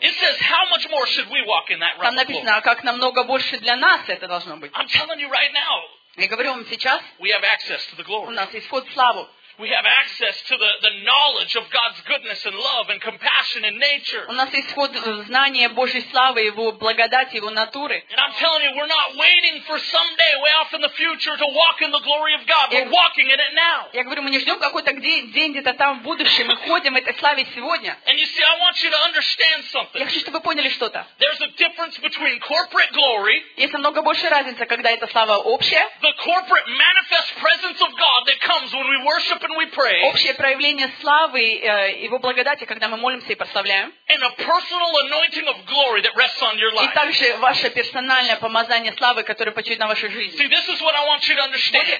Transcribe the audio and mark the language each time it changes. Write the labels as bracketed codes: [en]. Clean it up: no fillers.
[en] it says how much more should we walk in that realm? [ru] Там написано, как намного больше для нас это должно быть. [en] I'm telling you right now, [ru] я говорю вам сейчас, [en] we have access to the glory. [ru] У нас есть вход в славу. [en] We have access to the knowledge of God's goodness and love and compassion and nature. [ru] У нас есть вход в знание Божьей славы, Его благодати, Его натуры. [en] And I'm telling you, we're not waiting for someday way off in the future to walk in the glory of God. We're walking in it now. [ru] Я говорю, мы не ждем какой-то день где-то там в будущем. Мы ходим в этой славе сегодня. [en] And you see, I want you to understand something. [ru] Я хочу, чтобы вы поняли что-то. [en] There's a difference between corporate glory. [ru] Есть намного большая разница, когда эта слава общая. [en] The corporate manifest presence of God that comes when we worship. [ru] Общее проявление славы Его благодати, когда мы молимся и прославляем. И также ваше персональное помазание славы, которое почует на вашей жизни.